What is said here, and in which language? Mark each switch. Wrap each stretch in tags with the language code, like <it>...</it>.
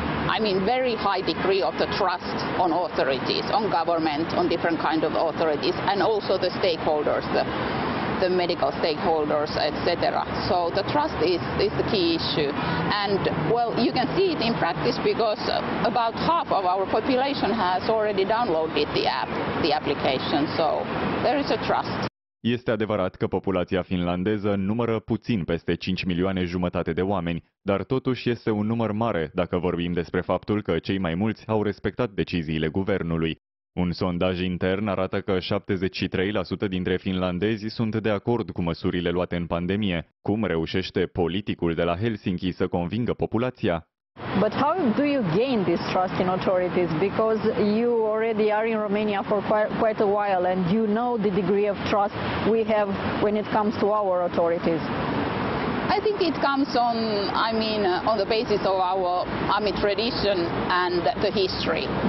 <en>I mean, very high degree of the trust on authorities, on government, on different kind of authorities, and also the stakeholders, the medical stakeholders, etc. So the trust is the key issue. And, well, you can see it in practice because about half of our population has already downloaded the app, the application. So there is a trust.</en> <ro>Este adevărat că populația finlandeză numără puțin peste 5 milioane jumătate de oameni, dar totuși este un număr mare dacă vorbim despre faptul că cei mai mulți au respectat deciziile guvernului. Un sondaj intern arată că 73% dintre finlandezi sunt de acord cu măsurile luate în pandemie. Cum reușește politicul de la Helsinki să convingă populația?</ro> <en>But how do you gain this trust in authorities? Because you already are in Romania for quite a while and you know the degree of trust we have when it comes to our authorities. I think it comes on the basis of our army tradition and the history.</en>